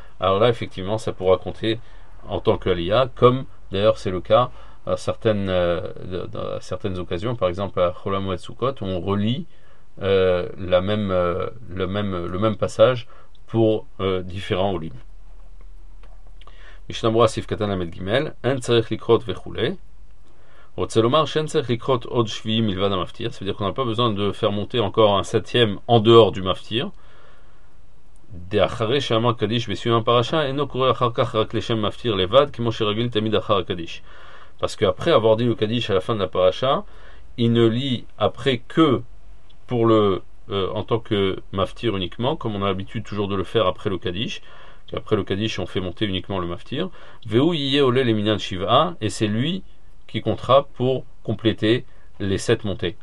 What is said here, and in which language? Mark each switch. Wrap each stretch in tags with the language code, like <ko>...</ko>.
<fr>Alors là effectivement ça pourra compter en tant qu'aliyah, comme d'ailleurs c'est le cas à certaines occasions, par exemple à Chol HaMoed Sukkot, où on relit le même passage pour différents olim.</fr> <he>משנה ברורה סעיף קטן למד גימל, אין צריך לקרות וכולי. רוצה לומר שאין צריך לקרות עוד שביעי מלבד המפטיר, זאת אומרת,</he> <fr>on n'a pas besoin de faire monter encore un septième en dehors du מפטיר.</fr> <he>דאחרי שאמר קדיש בסיום הפרשה, אינו קורא אחר כך רק לשם מפטיר לבד, כמו שרגיל תמיד אחר הקדיש.</he> <fr>Parce qu'après avoir dit le קדיש à la fin de la parasha, il ne lit après que pour le, en tant que מפטיר uniquement, comme on a l'habitude toujours de le faire après le קדיש. Après le Kaddish, on fait monter uniquement le Maftir.</fr> <he>Ve'u yiyé olé le minyan shiv'a,</he> <fr>et c'est lui qui comptera pour compléter les 7 montées.</fr>